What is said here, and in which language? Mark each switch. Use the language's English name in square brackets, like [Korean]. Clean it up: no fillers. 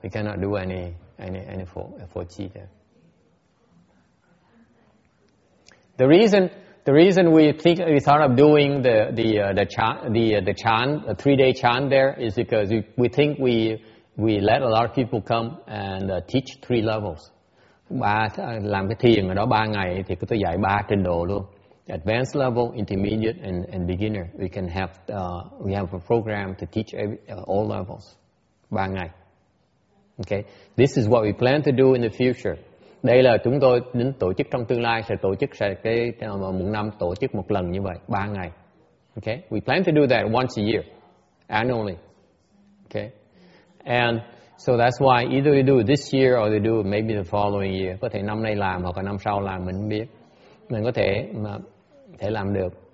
[English] We cannot do any for chi there. The reason we thought of doing the chant 3-day chant there is because we think we let a lot of people come and teach three levels. [Vietnamese] Ba làm cái thiền ở đó 3 ngày thì tôi dạy 3 trình độ luôn. [English] Advanced level, intermediate, and beginner. We can have a program to teach all levels. [Vietnamese] 3 ngày. [English] Okay. This is what we plan to do in the future. [Vietnamese] Đây là chúng tôi đến tổ chức trong tương lai sẽ tổ chức tổ chức một lần như vậy 3 ngày. [English] Okay. We plan to do that once a year, annually. Okay. And so that's why either you do it this year or you do it maybe the following year. [Vietnamese] Có thể năm nay làm hoặc là năm sau làm mình biết. Mình có thể mà thể làm được.